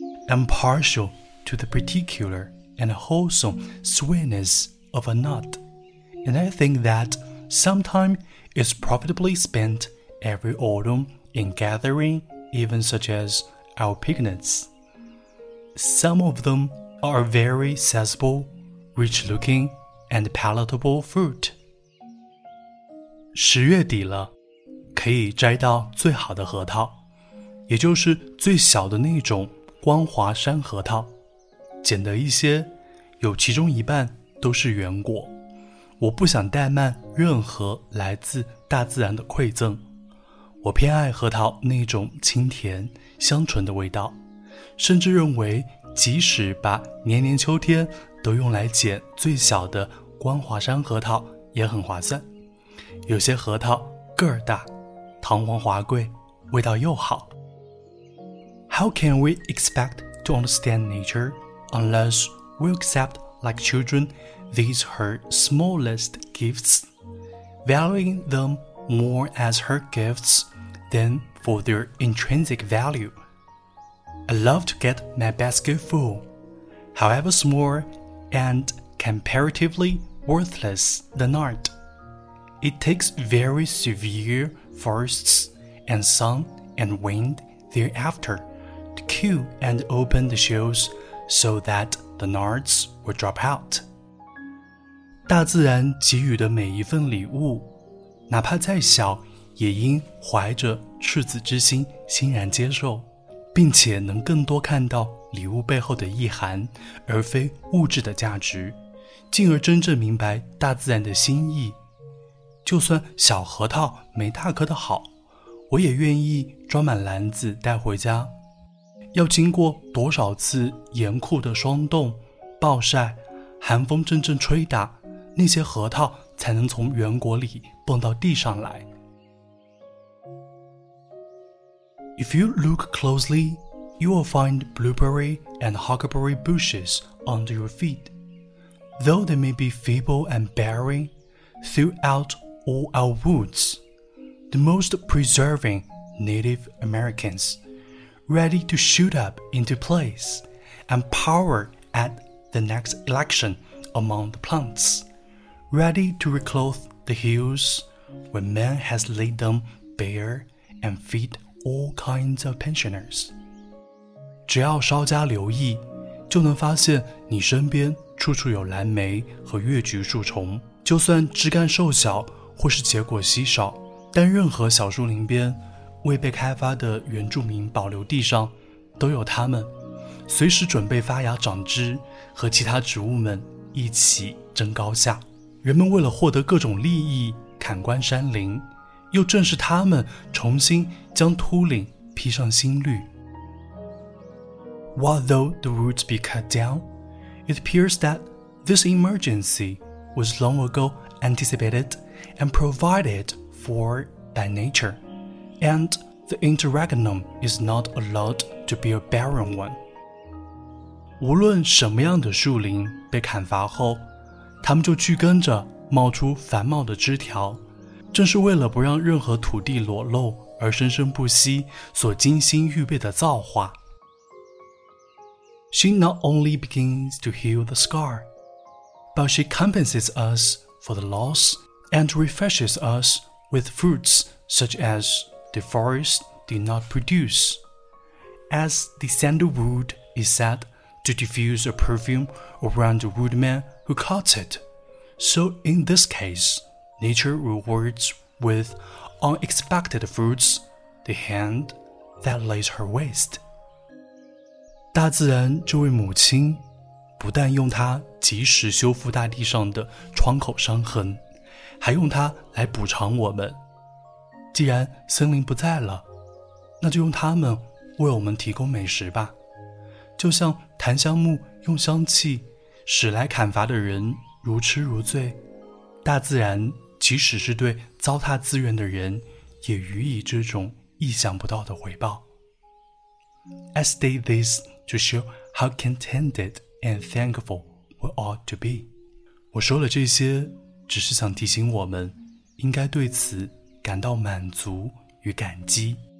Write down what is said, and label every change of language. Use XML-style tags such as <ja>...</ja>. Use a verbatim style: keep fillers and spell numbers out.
<en>I'm partial to the particular and wholesome sweetness of a nut, and I think that some time is profitably spent every autumn in gathering even such as our pignuts. Some of them are very sizable, rich-looking, and palatable fruit.</en> <zh>十月底了，可以摘到最好的核桃，也就是最小的那种光滑山核桃。捡得一些，有其中一半都是圆果。我不想怠慢任何来自大自然的馈赠。我偏爱核桃那种清甜香醇的味道，甚至认为即使把年年秋天都用来捡最小的光华山核桃也很划算。有些核桃个儿大，堂皇华贵，味道又好。</zh> <en>How can we expect to understand nature unless we accept like children these her smallest gifts, valuing them more as her gifts than for their intrinsic value? I love to get my basket full, however small and comparatively worthless the nut. It takes very severe frosts and sun and wind thereafter to kill and open the shells so that the nuts will drop out.</en> <zh>大自然给予的每一份礼物，哪怕再小，也应怀着赤子之心欣然接受，并且能更多看到礼物背后的意涵，而非物质的价值，进而真正明白大自然的心意。就算小核桃没大颗的好，我也愿意装满篮子带回家。要经过多少次严酷的霜冻、暴晒、寒风阵阵吹打，那些核桃才能从圆果里蹦到地上来。</zh> <en>If you look closely, you will find blueberry and huckleberry bushes under your feet. Though they may be feeble and barren, throughout all our woods, the most persevering Native Americans, ready to shoot up into place and power at the next election among the plants, ready to reclothe the hills when man has laid them bare and feed all kinds of pensioners.</en> <zh>只要稍加留意，就能发现你身边处处有蓝莓和越橘树丛。就算枝干瘦小或是结果稀少，但任何小树林边，未被开发的原住民保留地上都有它们，随时准备发芽长枝，和其他植物们一起争高下。人们为了获得各种利益，砍关山林，又正是他们重新将秃岭披上新绿。</zh> <en>What though the roots be cut down, it appears that this emergency was long ago anticipated and provided for by nature, and the interregnum is not allowed to be a barren one.</en> <zh>无论什么样的树林被砍伐后，它们就聚根着冒出繁茂的枝条，正是为了不让任何土地裸露而生生不息所精心预备的造化。</zh> <en>She not only begins to heal the scar, but she compensates us for the loss and refreshes us with fruits such as the forest did not produce. As the sandalwood is said to diffuse a perfume around the woodman who cuts it, so in this case, nature rewards with unexpected fruits the hand that lays her waste.</en> <zh>大自然这位母亲，不但用它及时修复大地上的窗口伤痕，还用它来补偿我们。既然森林不在了，那就用它们为我们提供美食吧。就像檀香木用香气使来砍伐的人如痴如醉，大自然即使是对糟蹋资源的人，也予以这种意想不到的回报。</zh> <en>I state this to show how contented and thankful we ought to be.</en> <zh>我说了这些，只是想提醒我们，应该对此感到满足与感激。</zh>